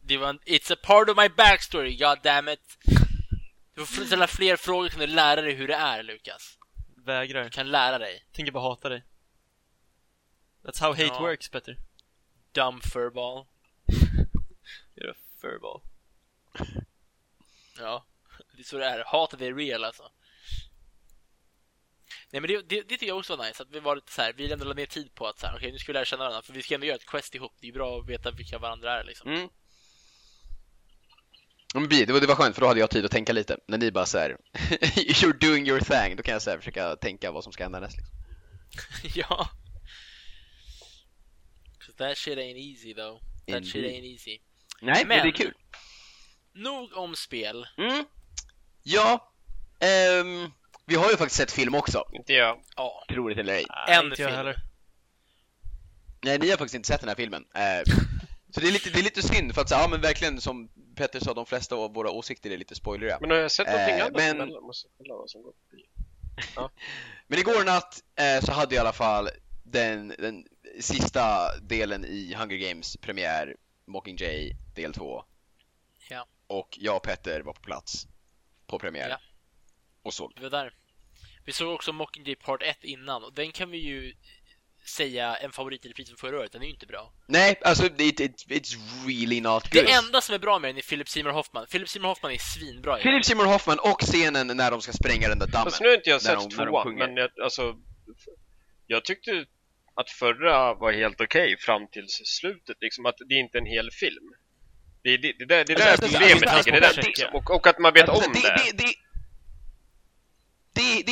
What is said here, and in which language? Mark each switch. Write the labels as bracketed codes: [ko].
[en] It's a part of my backstory, goddammit. [sv] Du får ställa fler frågor. Kan du lära dig hur det är, Lucas? Vägrar. Du kan lära dig. Tänker bara hata dig. [en] That's how hate works, Peter. Dumb furball. You're a furball. [sv] Ja. Det är så det är. Hat är real, alltså. Nej, men det tycker jag också var nice. Att vi var lite så här, vi ändå lade ner tid på att så här, okej, nu ska vi lära känna varandra. För vi ska ändå göra ett quest ihop. Det är bra att veta vilka varandra är, liksom. Mm. Det var skönt, för då hade jag tid att tänka lite. När ni bara så här, [en] you're doing your thing. [sv] Då kan jag så här, försöka tänka vad som ska hända näst, liksom. Ja. [en] Cause that shit ain't easy, though. [sv] Nej, men det är kul. Nog om spel. Mm. Ja, vi har ju faktiskt sett film också. Inte jag. Ja. Tror det eller ej. Inte jag heller. Nej, ni har faktiskt inte sett den här filmen. så det är lite synd, för att säga, men verkligen, som Peter sa, de flesta av våra åsikter är lite spoilerade. Men har jag sett någonting annat? Men igår natt så hade jag i alla fall den sista delen i Hunger Games premiär, Mockingjay del 2. Ja. Och jag och Peter var på plats. På premiär. Ja. Och så. Vi var där. Vi såg också Mockingjay Part 1 innan. Och den kan vi ju säga en favorit i reprisen förra året. Den är ju inte bra. Nej, alltså [en] it's really not good. [sv] Det enda som är bra med den är Philip Seymour Hoffman. Philip Seymour Hoffman är svinbra. Philip Seymour Hoffman och scenen när de ska spränga den där dammen. Fast nu har inte jag sett tvåan. Men jag tyckte att förra var helt okej fram tills slutet. Liksom att det är inte en hel film. Det är det där problemet, och att man vet alltså, om det